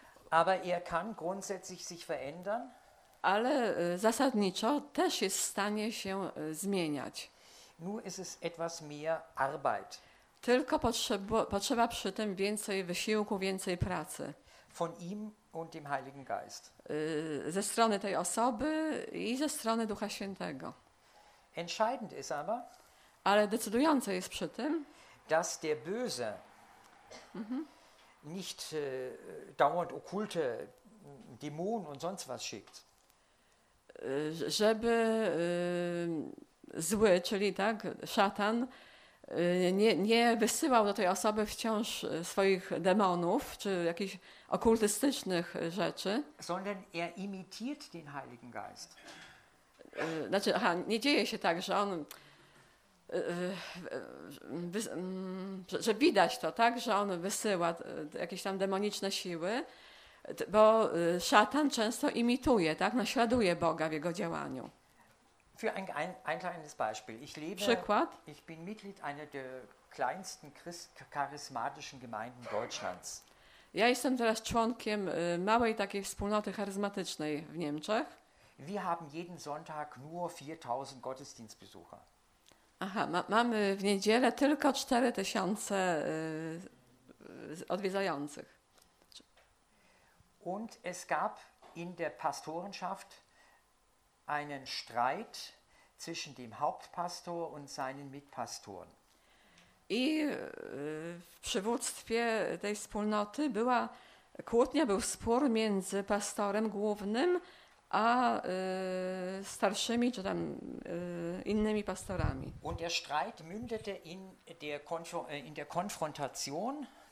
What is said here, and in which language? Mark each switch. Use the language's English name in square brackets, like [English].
[German] Aber er kann grundsätzlich sich verändern. [Polish] Ale zasadniczo też jest w stanie się zmieniać. [German] Nur ist es etwas mehr Arbeit. [Polish] Tylko potrzeba przy tym więcej wysiłku, więcej pracy. [German] Von ihm und dem Heiligen Geist. [Polish] Ze strony tej osoby i ze strony Ducha Świętego. [German] Entscheidend ist aber, [Polish] ale decydujące jest przy tym, [German] dass der Böse nicht dauernd okkulte Dämonen und sonst was schickt. [Polish] Żeby zły, czyli tak, szatan, nie wysyłał do tej osoby wciąż swoich demonów czy jakichś okultystycznych rzeczy. [German] Sondern er imitiert den Heiligen Geist. [Polish] Znaczy, aha, nie dzieje się tak, że on że widać to, tak, że on wysyła jakieś tam demoniczne siły, bo szatan często imituje, tak, naśladuje Boga w jego działaniu. [German] Für ein kleines Beispiel. Ich lebe, [Polish] Przykład? [German] Ich bin Mitglied einer der kleinsten charismatischen Gemeinden Deutschlands. [Polish] Ja jestem teraz członkiem małej takiej wspólnoty charyzmatycznej w Niemczech. [German] Wir haben jeden Sonntag nur 4000 Gottesdienstbesucher. [Polish] Aha, mamy w niedzielę tylko 4000 odwiedzających. [German] Und es gab in der Pastorenschaft einen Streit zwischen dem Hauptpastor und seinen Mitpastoren. [Polish] I w przywództwie tej wspólnoty była kłótnia, był spór między pastorem głównym a starszymi czy tam innymi pastorami. [German] Und der Streit mündete in der Konfrontation.